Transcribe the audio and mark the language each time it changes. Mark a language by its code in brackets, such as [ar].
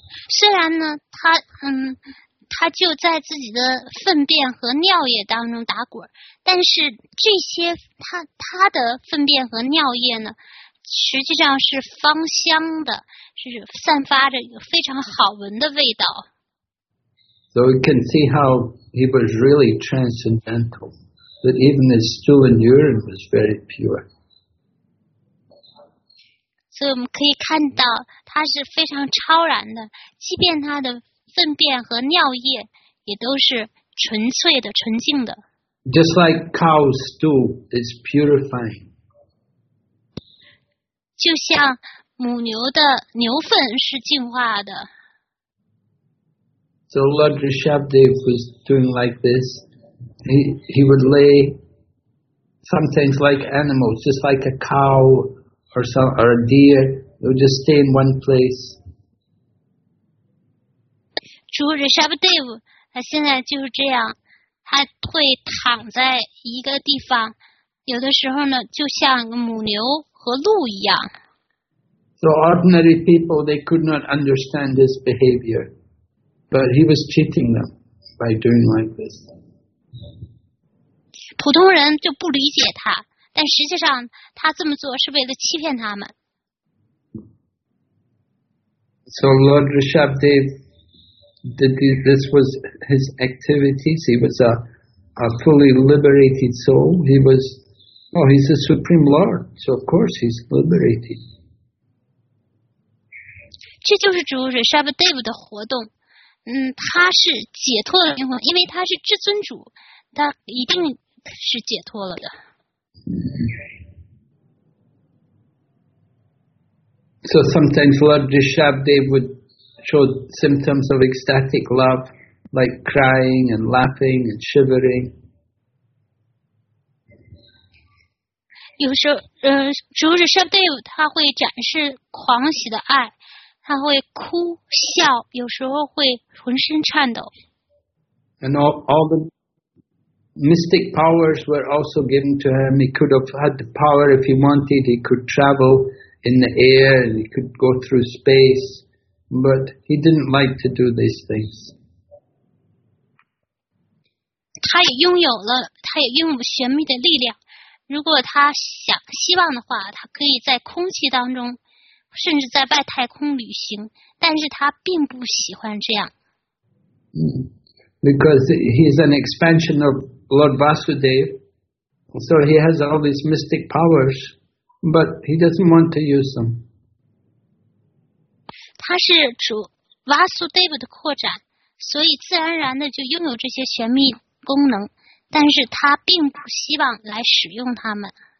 [zh] 虽然呢，他就在自己的粪便和尿液当中打滚，但是这些他的粪便和尿液呢，实际上是芳香的，是散发着一个非常好闻的味道。 [en] So we can see how he was really transcendental, that even his stool and urine was very pure. [zh] 所以我们可以看到他是非常超然的，即便他的粪便和尿液也都是纯粹的、纯净的。 [en] Just like cow's stool is purifying. [zh] 就像母牛的牛粪是净化的。 [en] So Lord Rishabhdev was doing like this. He would lay sometimes like animals, just like a cow or a deer. They would just stay in one place. [zh] 主 Rishabhdev 他现在就是这样，他会躺在一个地方，有的时候呢，就像母牛和鹿一样。 [en] So ordinary people, they could not understand his behavior. But he was cheating them by doing like this. [zh] 普通人就不理解他，但实际上他这么做是为了欺骗他们。 [en] So Lord Rishabhdev, this was his activities. He was a fully liberated soul. He was, oh, he's the Supreme Lord. So of course he's liberated. [zh] 这就是主 Rishabhdev 的活动，他是解脱了灵魂，因为他是至尊主，他一定是解脱了的。 So sometimes Lord Rishabhdev would show symptoms of ecstatic love, like crying and laughing and shivering. 有时候，主 Rishabhdev 他会展示狂喜的爱。他会哭笑，有时候会浑身颤抖。 [en] And all the mystic powers were also given to him. He could have had the power if he wanted. He could travel in the air and he could go through space. But he didn't like to do these things. [zh] 他也拥有了，他也拥有玄秘的力量。如果他想希望的话，他可以在空气当中。甚至在外太空旅行，但是他并不喜欢这样。 [en] Because he is an expansion of Lord Vasudev, so he has all these mystic powers, but he doesn't want to use them. [zh] 他是主 Vasudev 的扩展，所以自然而然的就拥有这些玄秘功能，但是他并不希望来使用它们。